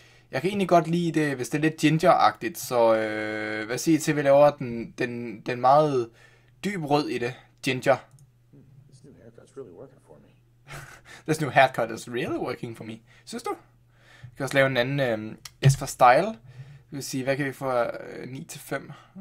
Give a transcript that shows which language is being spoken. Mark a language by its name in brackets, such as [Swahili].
[Danish] Jeg kan egentlig godt lide det, hvis det er lidt ginger-agtigt. Så hvad siger I til, at vi laver den meget... Dyb rød i det. Ginger. [English] This new haircut's really working for me. This new haircut is really working for me. [Danish] Synes du? Vi kan også lave en anden S for style. Det vil sige, hvad kan vi få 9-5?